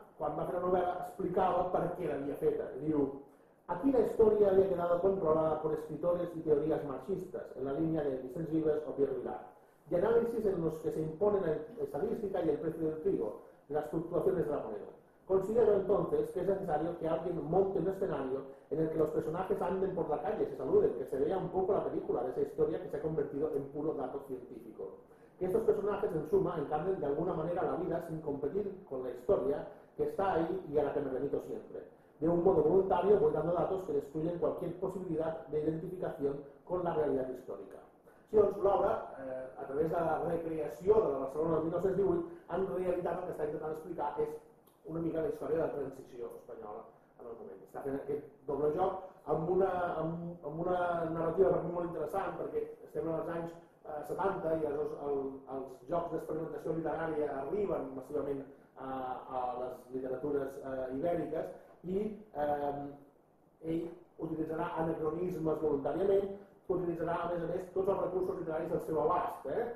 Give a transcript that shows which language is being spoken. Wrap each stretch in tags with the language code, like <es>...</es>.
<ca>quan va fer la novel·la, explicava per què l'havia feta. Diu, a quina història havia quedat controlada per escritores i teories marxistes en la línia de Vicenç Vives o Pierre Vilar, i anàlisis en els que s'imponen la estadística i el preu del trigo, les fluctuacions de la moneda.</ca> <es>Considero entonces que es necesario que alguien monte un escenario en el que los personajes anden por la calle, se saluden, que se vea un poco la película de esa historia que se ha convertido en puro dato científico. Que estos personajes, en suma, encarnen de alguna manera la vida sin competir con la historia que está ahí y a la que me remito siempre. De un modo voluntario voy dando datos que destruyen cualquier posibilidad de identificación con la realidad histórica.</es> <ca>Sí, doncs, l'obra, a través de la recreació de la Barcelona del 1918, en realitat el que està intentant explicar és una mica la història de la transició espanyola en el moment. Està fent aquest doble joc amb una narrativa molt interessant, perquè estem en els anys 70 i llavors els jocs d'experimentació literària arriben massivament a les literatures ibèriques, i ell utilitzarà anacronismes voluntàriament, utilitzarà a més tots els recursos literaris del seu abast,</ca>